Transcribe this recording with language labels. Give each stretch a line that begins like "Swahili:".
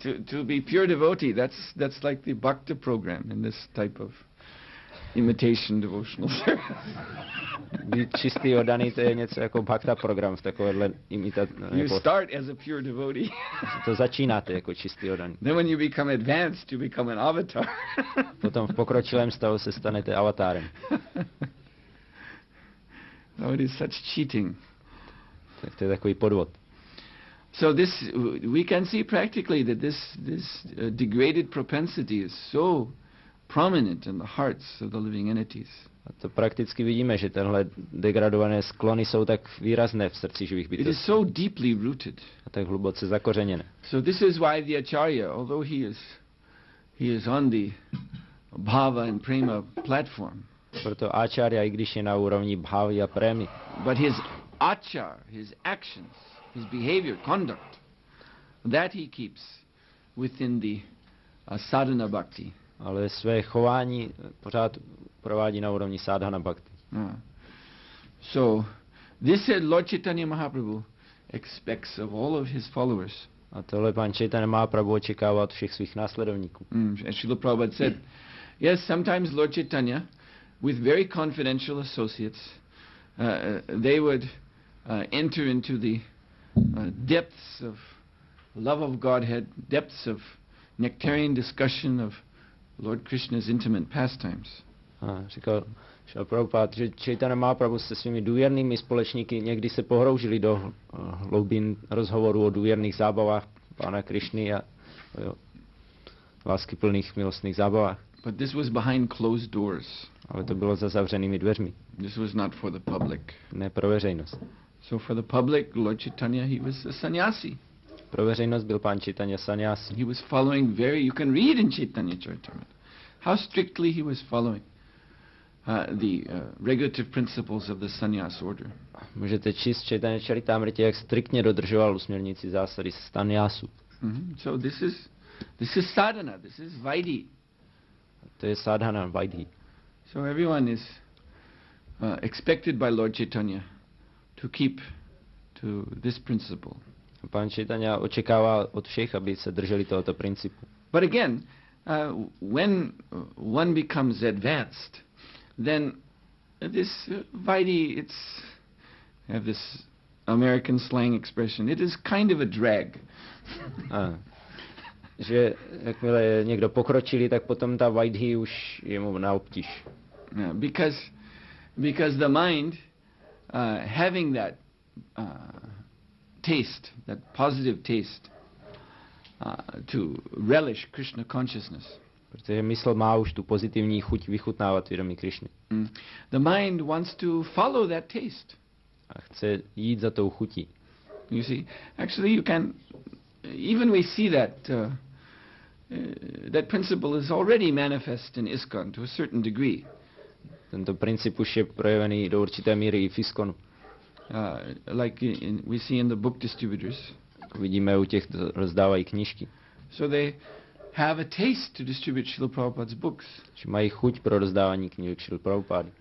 English: To be pure devotee, that's like the bhakta program in this type of imitation devotional service.
Czech: Být čistý oddaný, to je něco jako bhakta program v takovéhle imitaci.
English: You start as a pure devotee.
Czech: To začínáte jako čistý oddaný.
English: Then when you become advanced, you become an avatar.
Czech: Potom v pokročilém stavu se stanete avatárem.
English: Oh, it is such cheating.
Czech: Tak to je takový podvod.
English: So this, we can see practically that this degraded propensity is so prominent in the hearts of the living entities.
Czech: A to prakticky vidíme, že tenhle degradované sklony jsou tak výrazné v srdci živých bytostí.
English: It is so deeply rooted.
Czech: A tak hluboce zakořeněné.
English: So this is why the acharya, although he is on the bhava and prema platform.
Czech: Proto acharya, i když je na úrovni bhavy a premy.
English: But his achar, his actions, his behavior, conduct, that he keeps within the sadhana bhakti.
Czech: Ale své chování pořád provádí na úrovni sadhana bhakti.
English: So this is Lord Chaitanya Mahaprabhu expects of all of his followers.
Czech: A tohle pan Chaitanya Mahaprabhu očekává od všech svých následovníků.
English: As Srila Prabhupada said, yes, sometimes Lord Chaitanya, with very confidential associates, they would enter into the depths of love of Godhead, depths of nectarian discussion of Lord Krishna's intimate pastimes.
Czech: Říkal Srila Prabhupada, že Chaitanya Mahaprabhu se svými důvěrnými společníky někdy se pohroužili do hloubin rozhovorů o důvěrných zábavách pána Krišny a láskyplných milostných zábavách.
English: But this was behind closed doors.
Czech: Ale to bylo za zavřenými dveřmi.
English: This was not for the public.
Czech: Ne pro veřejnost.
English: So for the public, Lord Chaitanya, he was a sannyasi.
Czech: Pro veřejnost byl pán Chaitanya sannyasi.
English: He was following very, you can read in Chaitanya Charitamrita, how strictly he was following the regulative principles of the sannyas order.
Czech: Můžete číst Chaitanya Charitamrita, jak striktně dodržoval usměrnící zásady sannyasu.
English: So this is sadhana, this is vaidhi.
Czech: To je sadhana, vaidhi.
English: So everyone is expected by Lord Chaitanya to keep to this principle.
Czech: Pan Chaitanya očekává od všech, aby se drželi tohoto principu.
English: But again, when one becomes advanced, then this vaidhi, it's, I have this American slang expression, it is kind of a drag.
Czech: Že jakmile je někdo pokročilý, tak potom ta vaidhi už je mu na obtíž.
English: Because the mind, having that taste, that positive taste, to relish Krishna consciousness.
Czech: Protože mysl má už tu pozitivní chuť vychutnávat vědomí Krišny.
English: The mind wants to follow that taste.
Czech: A chce jít za tou chutí.
English: You see, actually you can, even we see that, that principle is already manifest in ISKCON to a certain degree.
Czech: Tento princip už je projevený do určité míry i v ISKCONu.
English: We see in the book distributors.
Czech: Vidíme u těch, kdo rozdávají knížky.
English: So they have a taste to distribute Srila Prabhupada's books.
Czech: Že mají chuť pro rozdávání knihy Srila Prabhupada.